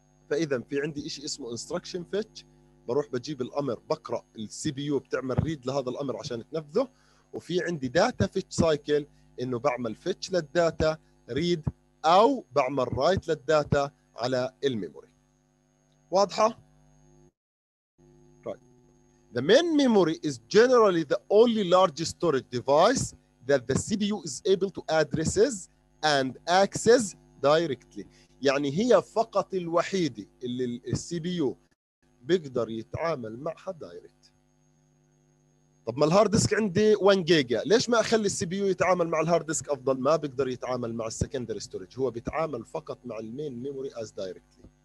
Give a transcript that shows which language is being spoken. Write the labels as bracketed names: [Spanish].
[Arabic] فاذا في عندي شيء اسمه انستركشن فيتش، بروح بجيب الامر بقرا السي بي يو بتعمل ريد لهذا الامر عشان تنفذه، وفي عندي داتا فيتش سايكل انه بعمل فيتش للداتا ريد او بعمل رايت للداتا على الميموري. واضحه؟ [English] Right. The main memory is generally the only large storage device that the CPU is able to addresses and access directly. [Arabic] يعني هي فقط الوحيده اللي السي بي يو بيقدر يتعامل معها دايركت. طب ما الهارد ديسك عندي 1 جيجا، ليش ما اخلي السي بي يو يتعامل مع الهارد ديسك افضل؟ ما بيقدر يتعامل مع السكندري ستورج، هو بيتعامل فقط مع المين ميموري از دايركتلي.